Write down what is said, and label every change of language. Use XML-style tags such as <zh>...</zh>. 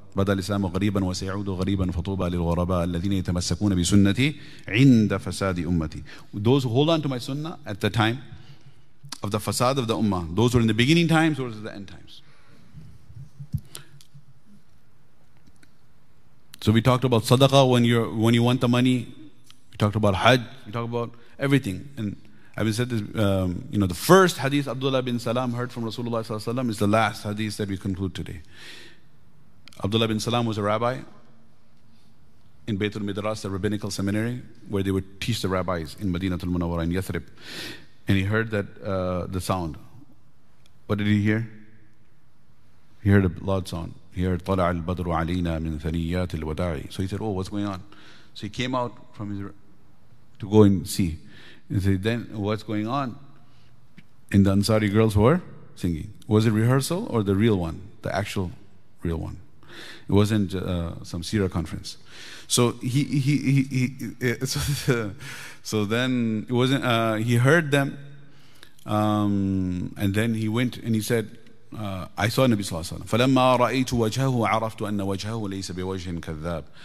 <ar>بدا الإسلام غريبا وسيعود غريبا فطوبى للغرباء الذين يتمسكون بسنتي عند فساد أمتي.</ar> <en>Those who hold on to my sunnah at the time of the fasad of the ummah, those who are in the beginning times or the end times. So we talked about sadaqah when you want the money. We talked about hajj. We talked about everything. And I've said this, you know, the first hadith Abdullah bin Salam heard from Rasulullah sallallahu alaihi wasallam is the last hadith that we conclude today. Abdullah bin Salam was a rabbi in Baitul Midras, the rabbinical seminary, where they would teach the rabbis in Madinatul Munawwara in Yathrib. And he heard that the sound. What did he hear? He heard a loud sound. He heard,</en> <ar>طلع البدر علينا من ثنيات الوداعي.</ar> <en>So he said, oh, what's going on? So he came out from his to go and see. He said, then what's going on? And the Ansari girls were singing. Was it rehearsal or the real one? The actual real one. It wasn't some seerah conference. So he heard them, and then he went and he said, I saw Nabi Sallallahu Alaihi Wasallam.</en>